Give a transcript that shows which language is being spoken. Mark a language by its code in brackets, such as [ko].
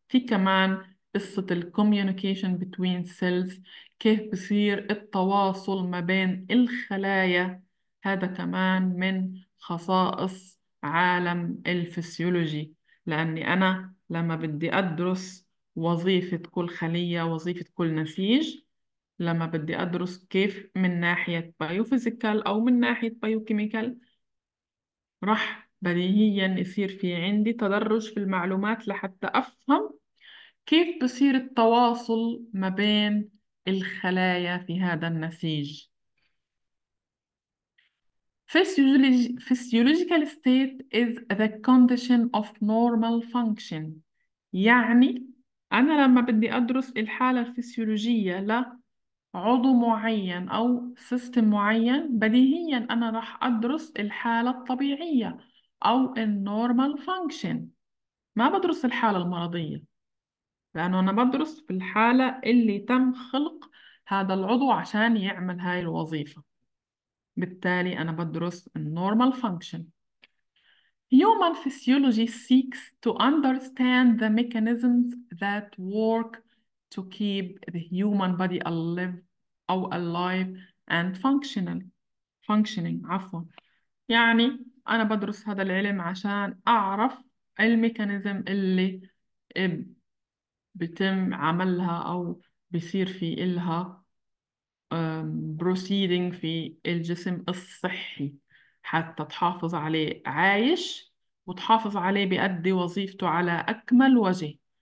[ar] في كمان قصة الكوميونيكيشن بتوين سيلز، كيف بصير التواصل ما بين الخلايا، هذا كمان من خصائص عالم الفسيولوجي، لأني أنا لما بدي أدرس وظيفة كل خلية، وظيفة كل نسيج، لما بدي أدرس كيف من ناحية بايوفيزيكال أو من ناحية بايوكيميكال، راح بديهيا يصير في عندي تدرج في المعلومات لحتى أفهم كيف بصير التواصل ما بين الخلايا في هذا النسيج. [en] Physiological state is the condition of normal function. [ar] يعني أنا لما بدي أدرس الحالة الفسيولوجية لعضو معين أو سيستم معين، بديهيا أنا راح أدرس الحالة الطبيعية أو النورمال فانكشن، ما بدرس الحالة المرضية، لأنه أنا بدرس في الحالة اللي تم خلق هذا العضو عشان يعمل هاي الوظيفة، بالتالي أنا بدرس النورمال فانكشن. [en] Human physiology seeks to understand the mechanisms that work to keep the human body alive [ar] أو [en] alive and functional. Functioning, [ar] عفوا. يعني أنا بدرس هذا العلم عشان أعرف الميكانيزم اللي بتم عملها أو بيصير في إلها proceeding في الجسم الصحي، حتى تحافظ عليه عايش وتحافظ عليه بيأدي وظيفته على أكمل وجه.